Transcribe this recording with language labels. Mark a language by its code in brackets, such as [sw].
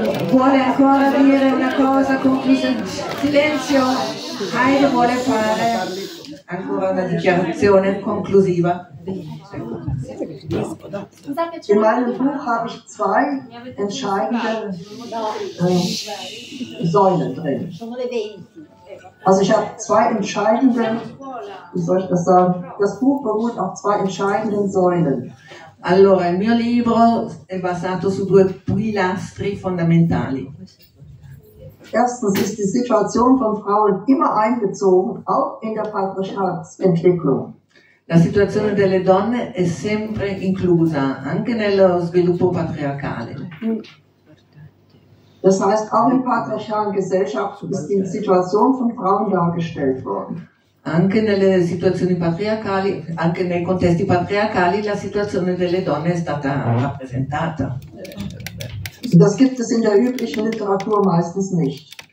[it] vuole ancora dire una cosa conclusa? Silenzio. Heide vuole fare ancora una dichiarazione conclusiva. [de] In meinem Buch habe ich zwei entscheidende Säulen drin. Also ich habe zwei entscheidende, wie soll ich das sagen? Das Buch beruht auf zwei entscheidenden Säulen. [it] Allora, il mio libro è basato su due pilastri fondamentali. [de] Erstens ist die Situation von Frauen immer eingezogen, auch in der Partnerschaftsentwicklung. [it] La situazione delle donne è sempre inclusa anche nello sviluppo patriarcale. [de] Das heißt, auch in patriarchalen Gesellschaften ist die Situation von Frauen dargestellt worden. [it] Anche nelle situazioni patriarcali, anche nei contesti patriarcali, la situazione delle donne è stata rappresentata. [de] Das gibt es in der üblichen Literatur meistens nicht.